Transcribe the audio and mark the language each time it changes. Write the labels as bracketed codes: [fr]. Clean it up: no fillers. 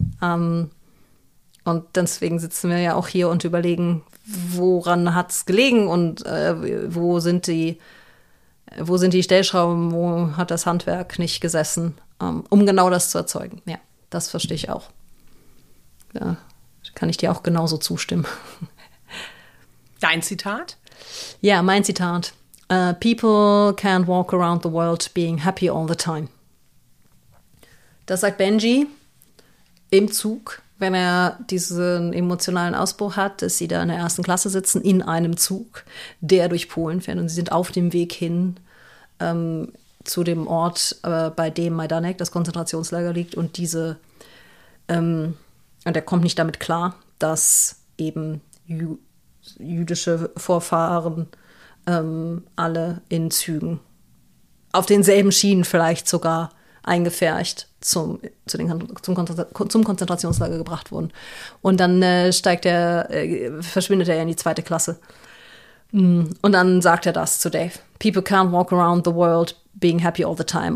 [de] Und deswegen sitzen wir ja auch hier und überlegen, woran hat es gelegen und wo sind die Wo sind die Stellschrauben? Wo hat das Handwerk nicht gesessen? Um genau das zu erzeugen. Ja, das verstehe ich auch. Ja, kann ich dir auch genauso zustimmen. Dein Zitat? Ja, mein Zitat. [en] People can't walk around the world being happy all the time. [de] Das sagt Benji im Zug, wenn er diesen emotionalen Ausbruch hat, dass sie da in der ersten Klasse sitzen, in einem Zug, der durch Polen fährt. Und sie sind auf dem Weg hin zu dem Ort, bei dem Majdanek, das Konzentrationslager, liegt. Und diese und er kommt nicht damit klar, dass eben jüdische Vorfahren alle in Zügen, auf denselben Schienen vielleicht sogar, eingefärcht zum Konzentrationslager gebracht wurden. Und dann verschwindet er in die zweite Klasse. Und dann sagt er das zu Dave. [en] People can't walk around the world being happy all the time.